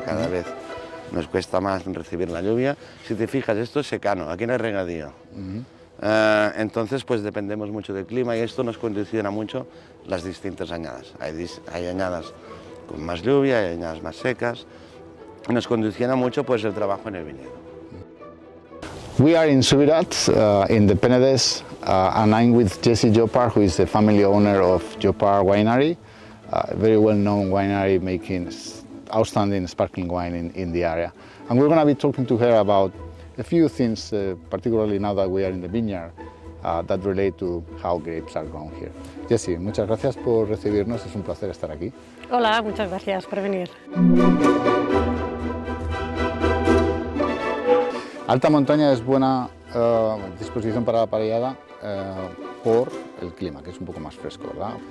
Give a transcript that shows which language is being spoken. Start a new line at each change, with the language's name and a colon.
Spanish: Cada vez nos cuesta más recibir la lluvia. Si te fijas, esto es secano, aquí no hay regadío. Entonces, pues dependemos mucho del clima y esto nos condiciona mucho las distintas añadas. Hay añadas con más lluvia, hay añadas más secas. Nos condiciona mucho, pues, el trabajo en el viñedo.
English: We are in Subirat, in the Penedès, and I'm with Jesse Jopar, who is the family owner of Jopar Winery, a very well-known winery making outstanding sparkling wine in the area. And we're going to be talking to her about a few things, particularly now that we are in the vineyard, that relate to how grapes are grown here.
Spanish: Jesse, muchas gracias por recibirnos, es un placer estar aquí. Hola, muchas gracias por venir. Alta montaña es buena disposición para la pareada por el clima, que es un poco más fresco, ¿verdad?